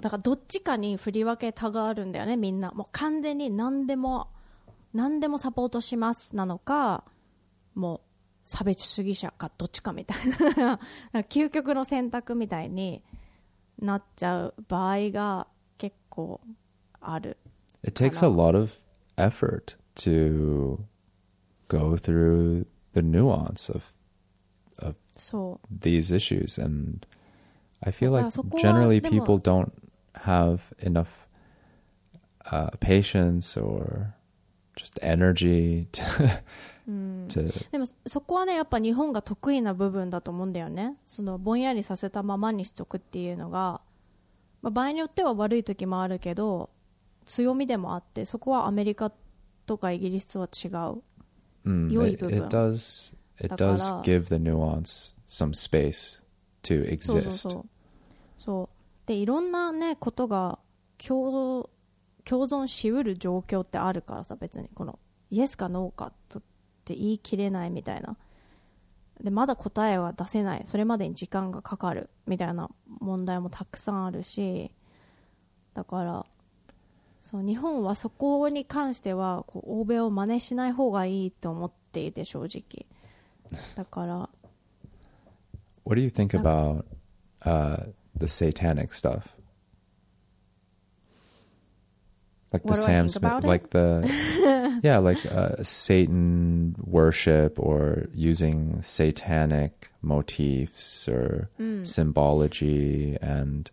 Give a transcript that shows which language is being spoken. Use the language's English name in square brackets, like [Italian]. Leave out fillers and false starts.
[Japanese] だからどっちかに振り分けたがあるんだよね、みんな。もう完全に何でもサポートしますなのか、もう差別主義者かどっちかみたいな、なんか究極の選択みたいになっちゃう場合が結構ある。 [English] It takes a lot of effort to go through the nuance of these issues. And I feel like generally people don't have enough patience or just energy to... [Japanese] でもそこはね、やっぱ日本が得意な部分だと思うんだよね。そのぼんやりさせたままにしとくっていうのが、まあ、場合によっては悪い時もあるけど、強みでもあって、そこはアメリカとかイギリスとは違う、良い部分。 [English] It does give the nuance some space to exist. [Japanese] そう。で、いろんなねことが共存しうる状況ってあるからさ、別にこのイエスかノーかっって言い切れないみたいな、でまだ答えは出せない、それまでに時間がかかるみたいな問題もたくさんあるし、だからそう、日本はそこに関してはこう欧米を真似しない方がいいと思っていて、正直だから [English] What do you think about、the satanic stuff? Like the Sam Smith, like the yeah, like、Satan worship or using satanic motifs or、symbology and